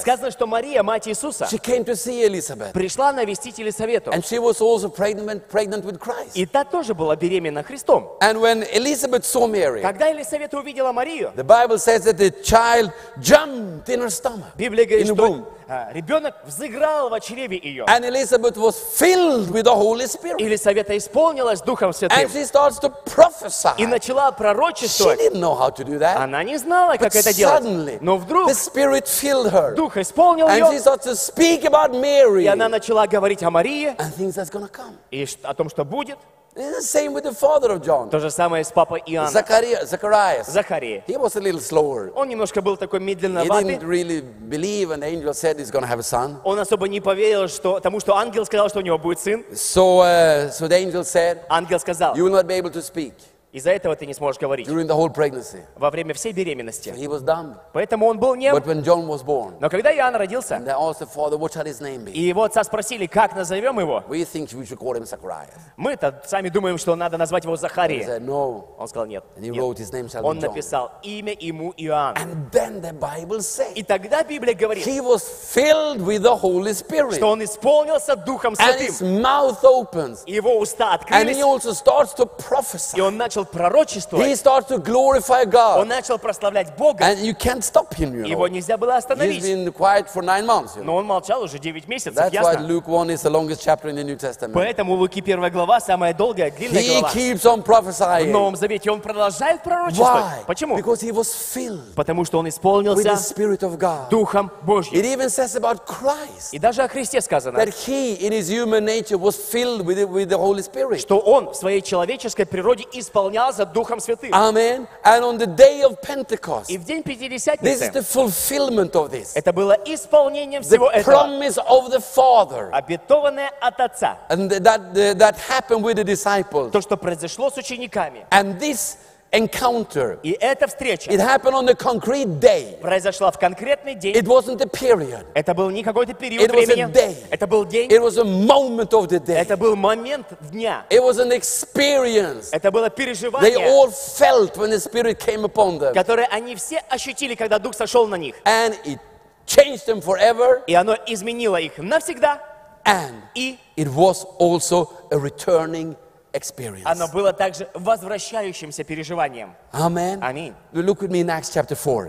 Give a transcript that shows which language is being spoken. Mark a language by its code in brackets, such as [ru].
[ru] Сказано, что Мария, мать Иисуса. [en] She came to see Elizabeth. [ru] Пришла навестить Елисавету. [en] And she was also pregnant with Christ. [ru] И та тоже была беременна Христом. [en] And when Elizabeth saw Mary. [ru] Когда Елисавета увидела Марию. [en] The Bible says that the child jumped in her stomach. [ru] Библия говорит, что ребенок взыграл в чреве ее. [en] And Elizabeth was filled with the Holy Spirit. [ru] Елисавета исполнилась Духом Святым. [en] And she starts to prophesy. [ru] И начала пророчествовать. [en] She didn't know how to do that. [ru] Она не знала, как [en] but [ru] это [en] suddenly, [ru] делать. Но вдруг [en] the Spirit filled her. [ru] Дух исполнил [en] and [ru] ее. [en] She starts to speak about Mary. [ru] И она начала говорить о Марии. [en] And things are gonna come. [ru] И о том, что будет. [en] It's the same with the father of John. [ru] То же самое с папой Иоанном. [en] Zacharias. He was a little slower. [ru] Он немножко был такой медленноватый. [en] He didn't really believe when the angel said he's going to have a son. [ru] Он особо не поверил, что тому, что ангел сказал, что у него будет сын. [en] So the angel said. [ru] Ангел сказал. [en] You will not be able to speak. [ru] Из-за этого ты не сможешь говорить. [en] During the whole pregnancy. [ru] Во время всей беременности. [en] So he was dumb. [ru] Поэтому он был нем. [en] But when John was born. [ru] Но когда Иоанн родился. [en] And they asked the father, what shall his name be? [ru] И его отца спросили, как назовем его. [en] We think we should call him Zacharias. [ru] Мы-то сами думаем, что надо назвать его Захарией. [en] He said no. [ru] Он сказал нет. [en] And he wrote his name shall be John. [ru] Он написал имя ему Иоанн. [en] And then the Bible says. [ru] И тогда Библия говорит. [en] He was filled with the Holy Spirit. [ru] Что он исполнился Духом Святым. [en] And his mouth opens. [ru] И его уста открылись. [en] And he also starts to prophesy. [ru] И он начал пророчествовать. [en] He started to glorify God. [ru] Он начал прославлять Бога. [en] And you can't stop him, you know. [ru] Его нельзя было остановить. [en] He's been quiet for 9 months, you know. [ru] Но он молчал уже 9 месяцев, [en] that's [ru] ясно? [en] Why Luke 1 is the longest chapter in the New Testament. [ru] Поэтому Луки 1 глава самая долгая, длинная [en] he [ru] глава. [en] He keeps on prophesying. [ru] В Новом Завете он продолжает пророчествовать. [en] Why? [ru] Почему? [en] Because he was filled. [ru] Потому что он исполнился [en] with the Spirit of God. [ru] Духом Божьим. [en] It even says about Christ. [ru] И даже о Христе сказано. [en] That he in his human nature was filled with the Holy Spirit. [ru] Что он в своей человеческой природе исполнился Духом Святым. [en] Amen. And on the day of Pentecost, [ru] и в день Пятидесятницы, [en] this is the fulfillment of this. [ru] Это было исполнением всего этого. [en] The promise of the Father, [ru] обетованное от Отца. [en] And that happened with the disciples. [ru] То, что произошло с учениками. [en] And this encounter. [ru] И эта встреча. [en] It happened on a concrete day. [ru] Произошла в конкретный день. [en] It wasn't a period. [ru] Это был не какой-то период времени. [en] It was a day. [ru] Это был день. [en] It was a moment of the day. [ru] Это был момент дня. [en] It was an experience. [ru] Это было переживание. [en] They all felt when the Spirit came upon them. [ru] Которое они все ощутили, когда Дух сошел на них. [en] And it changed them forever. [ru] И оно изменило их навсегда. [en] And it was also a returning experience. [ru] Оно было также возвращающимся переживанием. [en] Amen. [ru] Аминь. [en] Look at me in Acts chapter 4.